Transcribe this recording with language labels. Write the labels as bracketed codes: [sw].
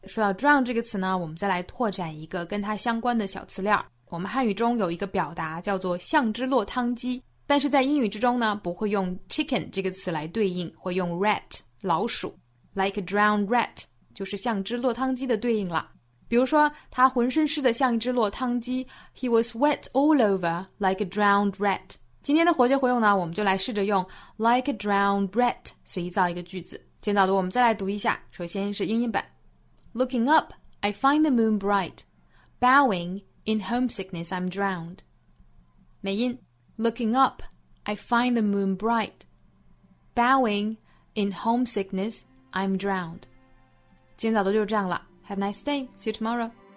[zh] 说到 drown 这个词呢，我们再来拓展一个跟它相关的小词链。我们汉语中有一个表达叫做像只落汤鸡，但是在英语之中呢，不会用 chicken 这个词来对应，会用 rat 老鼠， [en] like a drowned rat [zh] 就是像只落汤鸡的对应了。比如说他浑身湿得像一只落汤鸡， [en] He was wet all over like a drowned rat. [zh] 今天的活学活用呢，我们就来试着用 [en] like a drowned rat [zh] 随意造一个句子。见到的我们再来读一下，首先是英音版。 [en] Looking up, I find the moon bright. Bowing, in homesickness I'm drowned. [zh] 美音。 [en] Looking up, I find the moon bright. Bowing, in homesickness I'm drowned. [zh] 今天早都就是这样了。 [en] Have a nice day. See you tomorrow.